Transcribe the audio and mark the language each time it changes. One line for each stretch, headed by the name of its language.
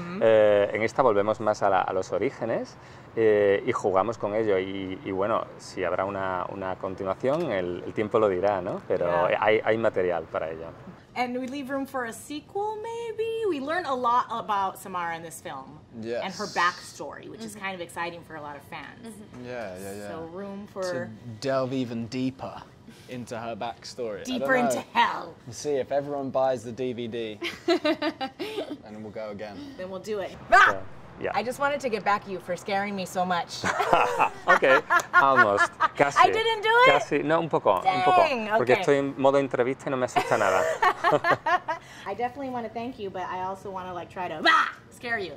Spanish: En esta volvemos más a los orígenes y jugamos con ello. Y bueno, si habrá una continuación, el tiempo lo dirá, ¿no? Pero hay material para ello.
English: And we leave room for a sequel, maybe? We learn a lot about Samara in this film. Yes. And her backstory, which is kind of exciting for a lot of fans. Mm-hmm. Yeah. So room for... To delve even deeper into her backstory. Deeper into hell. We'll see if everyone buys the DVD. And we'll go again. Then we'll do it. Yeah. I just wanted to get back at you for scaring me so much. Okay, almost. Casi. I didn't do it?
Spanish: Casi. No, un poco.
English: Dang,
Spanish: un poco. Porque estoy en modo entrevista y no me asusta nada.
English: I definitely want to thank you, but I also want to like try to scare you.